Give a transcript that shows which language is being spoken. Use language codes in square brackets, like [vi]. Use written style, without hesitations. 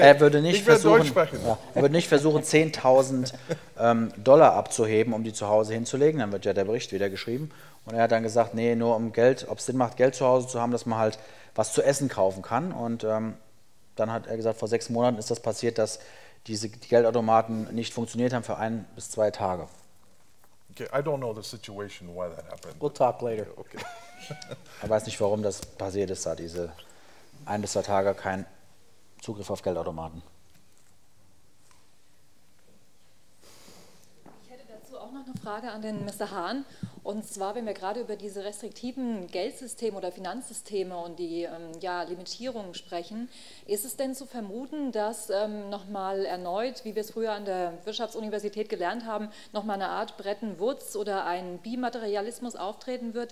[de] er würde nicht versuchen, 10.000 Dollar abzuheben, um die zu Hause hinzulegen. Dann wird ja der Bericht wieder geschrieben. Und er hat dann gesagt, nee, nur um Geld, ob es Sinn macht, Geld zu Hause zu haben, dass man halt was zu essen kaufen kann. Und dann hat er gesagt, vor 6 Monaten ist das passiert, dass diese Geldautomaten nicht funktioniert haben für 1-2 Tage. [en] Okay, I don't know the situation, why that happened. We'll talk later. Okay. [de] Er weiß nicht, warum das passiert ist, da diese 1-2 Tage kein Zugriff auf Geldautomaten. Ich hätte dazu auch noch eine Frage an den Mr. Hahn. Und zwar, wenn wir gerade über diese restriktiven Geldsysteme oder Finanzsysteme und die Limitierungen sprechen, ist es denn zu vermuten, dass nochmal erneut, wie wir es früher an der Wirtschaftsuniversität gelernt haben, nochmal eine Art Bretton Woods oder ein Bimaterialismus auftreten wird?